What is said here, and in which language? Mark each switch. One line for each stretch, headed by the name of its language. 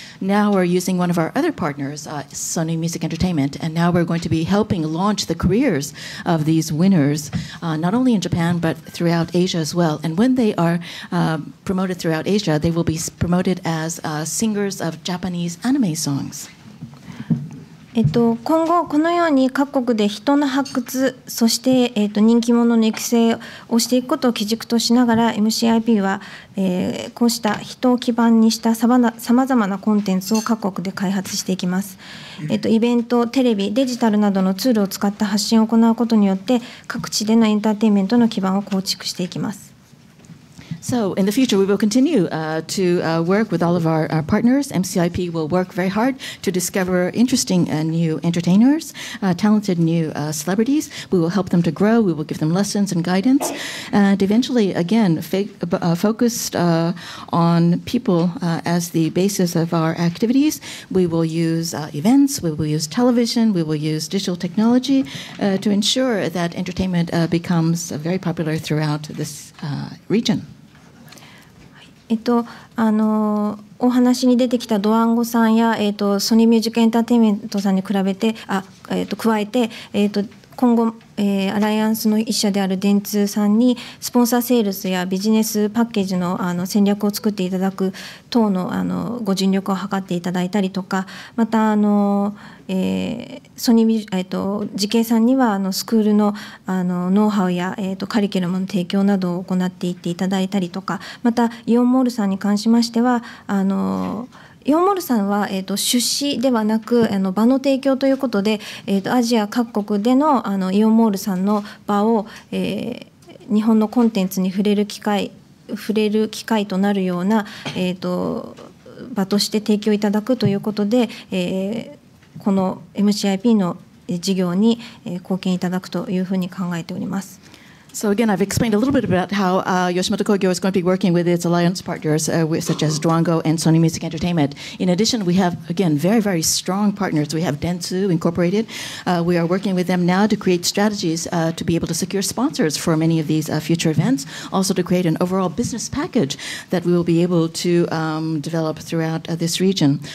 English: Now we're using one of our other partners, Sony Music Entertainment, and now we're going to be helping launch the careers of these winners, not only in Japan, but throughout Asia as well. And when they are promoted throughout Asia, they will be promoted as singers of Japanese anime songs.
Japanese: 今後このように各国で人の発掘、そして人気者の育成をしていくことを基軸としながら、MCIP はこうした人を基盤にしたさまざまなコンテンツを各国で開発していきます。イベント、テレビ、デジタルなどのツールを使った発信を行うことによって、各地でのエンターテインメントの基盤を構築していきます。
English: So in the future, we will continue work with all of our partners. MCIP will work very hard to discover interesting new entertainers, talented new celebrities. We will help them to grow. We will give them lessons and guidance. And eventually, again, focused on people as the basis of our activities, we will use events, we will use television, we will use digital technology to ensure that entertainment becomes very popular throughout this region.
Japanese: お話に出てきたドワンゴさんや、ソニーミュージックエンターテインメントさんに比べて加えて、今後、アライアンスの一社である電通さんにスポンサーセールスやビジネスパッケージ の戦略を作っていただく等 のご尽力を図っていただいたりとか、またソニー時計さんにはスクール のノウハウや、カリキュラムの提供などを行っていっていただいたりとか、またイオンモールさんに関しましては、イオンモールさんは、出資ではなく場の提供ということで、アジア各国で のイオンモールさんの場を、日本のコンテンツに触れる機会となるような、場として提供いただくということで、この MCIP の事業に貢献いただくというふうに考えております。
English: So again, I've explained a little bit about how Yoshimoto Kogyo is going to be working with its alliance partners, such as Duango and Sony Music Entertainment. In addition, we have, again, very, very strong partners. We have Dentsu Incorporated. We are working with them now to create strategies to be able to secure sponsors for many of these future events, also to create an overall business package that we will be able to develop throughout this region.